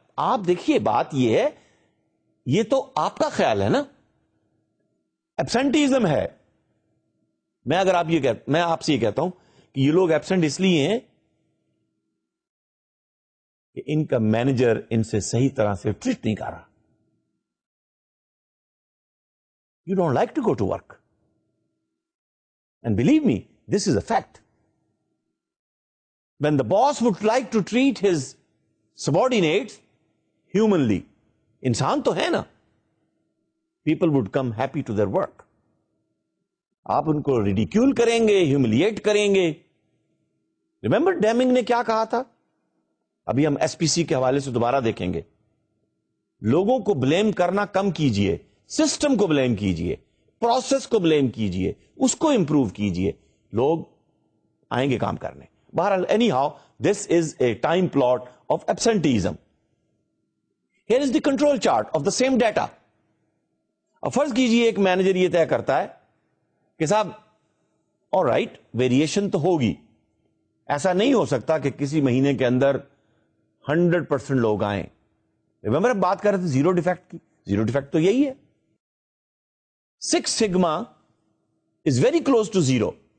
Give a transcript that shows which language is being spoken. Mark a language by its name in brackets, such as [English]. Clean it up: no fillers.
[Urdu] آپ دیکھیے بات یہ ہے, یہ تو آپ کا خیال ہے نا, ایبسنٹیزم ہے. میں اگر آپ یہ کہ میں آپ سے یہ کہتا ہوں کہ یہ لوگ ایبسنٹ اس لیے ہیں کہ ان کا مینیجر ان سے صحیح طرح سے ٹریٹ نہیں کر رہا. [English] You don't like to go to work, and believe me this is a fact. When the boss would like to treat his subordinates humanly, [Urdu] انسان تو ہے نا, [English] People would come happy to their work. [Urdu] آپ ان کو ridicule کریں گے, humiliate کریں گے. ریمبر ڈیمنگ نے کیا کہا تھا, ابھی ہم ایس پی سی کے حوالے سے دوبارہ دیکھیں گے, لوگوں کو بلیم کرنا کم کیجئے, سسٹم کو بلیم کیجئے, پروسیس کو بلیم کیجئے, اس کو امپروو کیجئے, لوگ آئیں گے کام کرنے. [English] بہرحال anyhow this is a time plot of absenteeism. Here is the control chart of the same data. [Urdu] فرض کیجئے ایک مینیجر یہ طے کرتا ہے کہ صاحب آل رائٹ ویریشن تو ہوگی, ایسا نہیں ہو سکتا کہ کسی مہینے کے اندر 100% لوگ آئیں. ریمبر ہم بات کر رہے تھے زیرو ڈیفیکٹ کی, زیرو ڈیفیکٹ تو یہی ہے, [English] Six sigma is very close to zero.